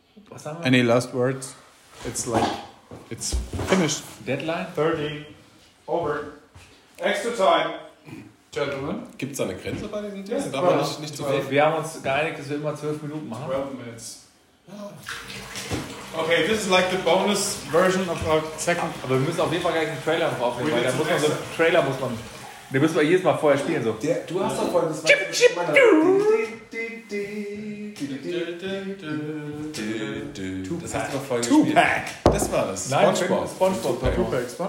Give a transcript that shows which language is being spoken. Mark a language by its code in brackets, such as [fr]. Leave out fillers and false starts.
[de] Was haben wir? [en] Any last words? It's like, it's finished. Deadline? 30. Over. Extra time. Gentlemen. [de] Gibt es da eine Grenze bei diesen Dingen? [en] Yes, [de] darf man nicht zu viel? Wir haben uns geeinigt, dass wir immer 12 Minuten machen. [en] 12 Minutes. Okay, this is like the bonus version of our second. [de] Aber wir müssen auf jeden Fall gleich einen Trailer draufnehmen, weil da muss man so einen Trailer muss man. Den müssen wir jedes Mal vorher spielen. So. Der, du hast doch vorhin das Chip, Chip, du! Das hast du doch vorher gespielt. Tupac! Das war das. Nein, SpongeBob. Tupac.